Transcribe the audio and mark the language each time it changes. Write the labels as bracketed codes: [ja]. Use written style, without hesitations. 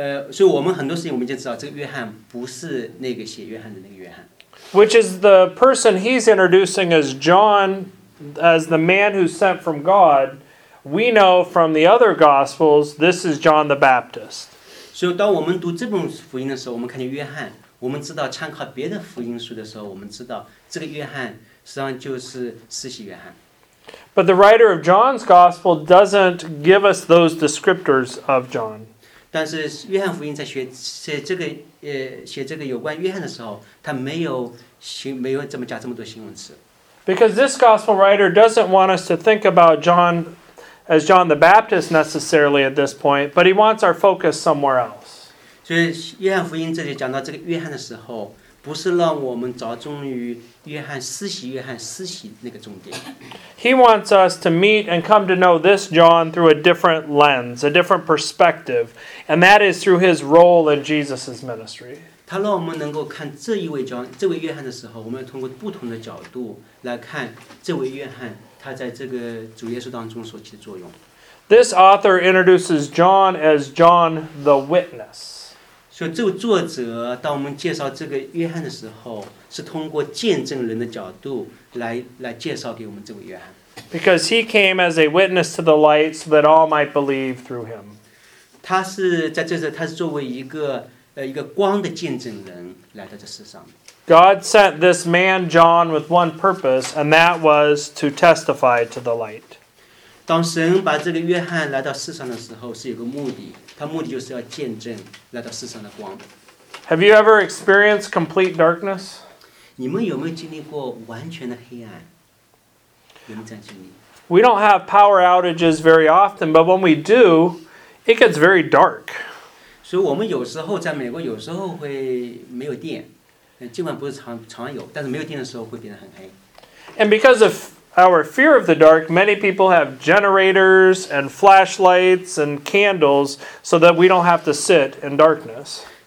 [zh] 所以我们很多事情我们就知道这个约翰不是那个写约翰的那个约翰。 [en] Which is the person he's introducing as John, as the man who's sent from God. We know from the other Gospels, this is John the Baptist. [zh] 所以当我们读这本福音的时候，我们看见约翰，我们知道参考别的福音书的时候，我们知道这个约翰实际上就是施洗约翰。 [en] But the writer of John's Gospel doesn't give us those descriptors of John. [zh] 但是约翰福音在写这个有关约翰的时候，他没有这么加这么多形容词。 [en] Because this gospel writer doesn't want us to think about John as John the Baptist necessarily at this point, but he wants our focus somewhere else. [zh] 所以约翰福音这里讲到这个约翰的时候，不是让我们着重于约翰施洗约翰施洗那个重点。 [en] He wants us to meet and come to know this John through a different lens, a different perspective, and that is through his role in Jesus' ministry. [zh] 他让我们能够看这一位 John, 这位约翰的时候，我们要通过不同的角度来看这位约翰他在这个主耶稣当中所起的作用。 [en] This author introduces John as John the Witness. [zh] 就这个作者，当我们介绍这个约翰的时候，是通过见证人的角度来介绍给我们这位约翰。 [en] Because he came as a witness to the light, so that all might believe through him. [zh] 他是在这里，他是作为一个一个光的见证人来到这世上。 [en] God sent this man John with one purpose, and that was to testify to the light. [zh] 当神把这个约翰来到世上的时候，是有个目的，他目的就是要见证来到世上的光。 [en] Have you ever experienced complete darkness? [zh] 你们有没有经历过完全的黑暗？有没有这样经历？ [en] We don't have power outages very often, but when we do, it gets very dark. [zh] 所以我们有时候在美国有时候会没有电。 [en] And because of our fear of the dark, many people have generators and flashlights and candles so that we don't have to sit in darkness.